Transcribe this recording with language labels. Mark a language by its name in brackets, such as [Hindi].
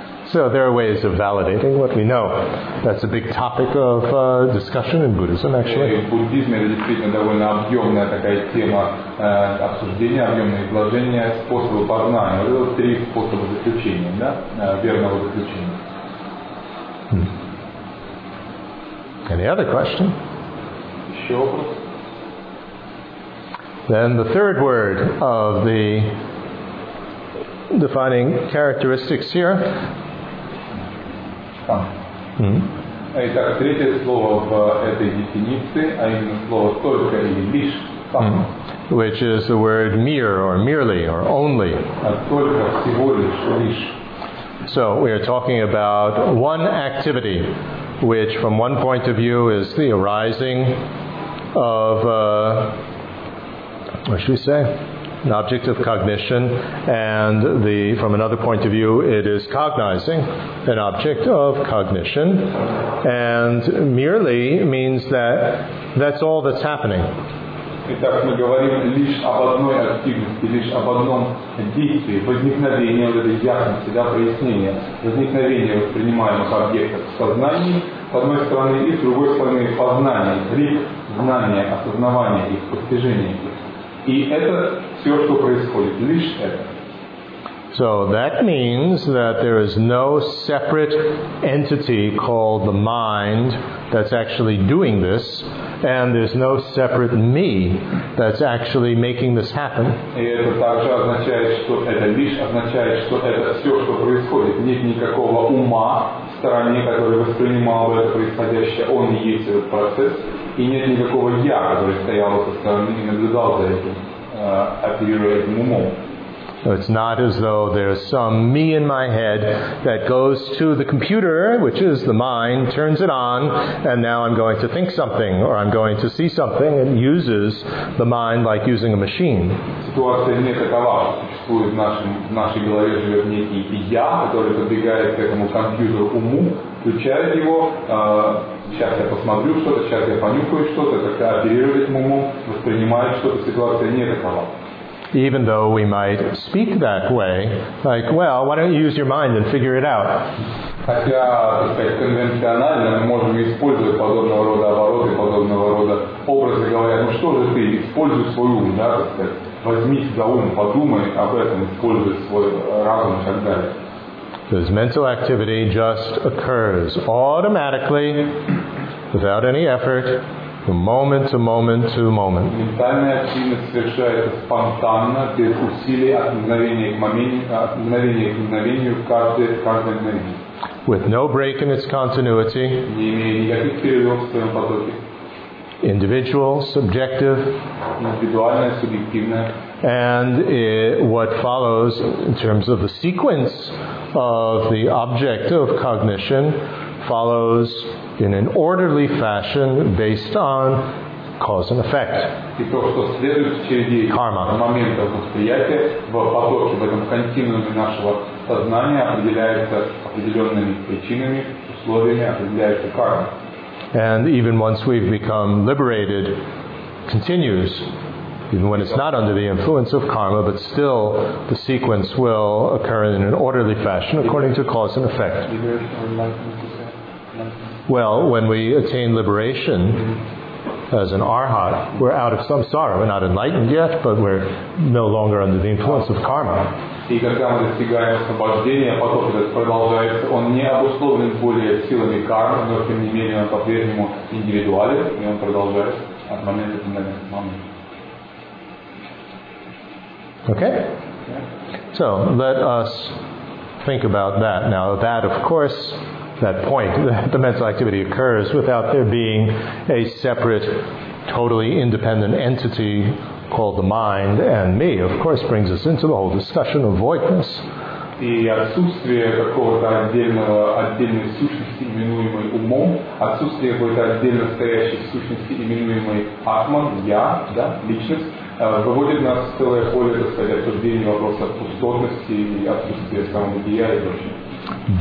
[English] So there are ways of validating what we know. That's a big topic of discussion in Buddhism, actually. [Russian] В буддизме это действительно довольно объемная такая тема обсуждения, объемные изложения, способы познания. Это три способа заключения, да? Верного заключения. [English] Any other question? [Russian] Еще вопрос? [English] Then the third word of the defining characteristics here. [Russian] Итак, третье слово в этой дефиниции, а именно слово «только» или «лишь» сам. [English] Which is the word «mere» or «merely» or «only». [Russian] Только, всего лишь, лишь. [English] So we are talking about one activity, which from one point of view is the arising of, what should we say? An object of cognition, and the from another point of view, it is cognizing an object of cognition, and merely means that that's all that's happening. [Russian] Итак, мы говорим лишь об одной активности, лишь об одном действии, возникновение вот этой ясности, да, прояснение, возникновение воспринимаемых объектов в сознании, с одной стороны, и с другой стороны, познание, лишь знание, осознавание их, постижение их. И это все, что происходит, лишь это. [English] So that means that there is no separate entity called the mind that's actually doing this, and there's no separate me that's actually making this happen. [Russian] И это также означает, что это лишь означает, что это все, что происходит. Нет никакого ума в стороне, который воспринимал бы это происходящее, он и есть этот процесс, и нет никакого я, который стоял со стороны и наблюдал за этим, оперируя этим умом. [English] So it's not as though there's some me in my head that goes to the computer, which is the mind, turns it on, and now I'm going to think something, or I'm going to see something, and uses the mind like using a machine. [Russian] Ситуация не такова. Существует в нашей голове живет некий я, который подбегает к этому компьютеру уму, включает его, сейчас я посмотрю что-то, сейчас я понюхаю что-то, как-то оперирует этим умом, воспринимает что-то, ситуация не такова. [English] Even though we might speak that way, like, well, why don't you use your mind and figure it out? [Russian] Хотя, так сказать, конвенционально мы можем использовать подобного рода обороты, подобного рода образы, говоря, ну что же ты, используй свой ум, да, так сказать, возьмись за ум, подумай об этом, используй свой разум и так далее. [English] This mental activity just occurs automatically, without any effort, from moment to moment to moment. [Russian] Ментальная активность совершается спонтанно, без усилий, от мгновения к мгновению, каждое мгновение. [English] With no break in its continuity. [Russian] Не имея никаких перерывов в своем потоке. [English] Individual, subjective. [Russian] Индивидуальное, субъективное. [English] And what follows in terms of the sequence of the object of cognition follows in an orderly fashion based on cause and effect. [Russian] И то, что следует в череде карма. Моментов восприятия в потоке, в этом континууме нашего сознания определяется определенными причинами, условиями, определяется карма. [English] And even once we've become liberated, continues. Even when it's not under the influence of karma, but still the sequence will occur in an orderly fashion according to cause and effect. Well, when we attain liberation as an arhat, we're out of samsara. We're not enlightened yet, but we're no longer under the influence of karma. [Russian] И когда мы достигаем освобождения, поток этот продолжается. Он не обусловлен более силами кармы, но тем не менее он по-прежнему индивидуален, и он продолжается от момента до момента. [English] Okay? So, let us think about that. Now, that, of course, that point, the mental activity occurs without there being a separate totally independent entity called the mind and me, of course, brings us into the whole discussion of voidness. [Russian] И отсутствие какого-то отдельной сущности, именуемой умом, отсутствие какой-то отдельно стоящей сущности, именуемой атман, я, да, личность, выводит нас в целое поле, так сказать, обсуждения вопроса пустотности и отсутствия самобытия и прочее.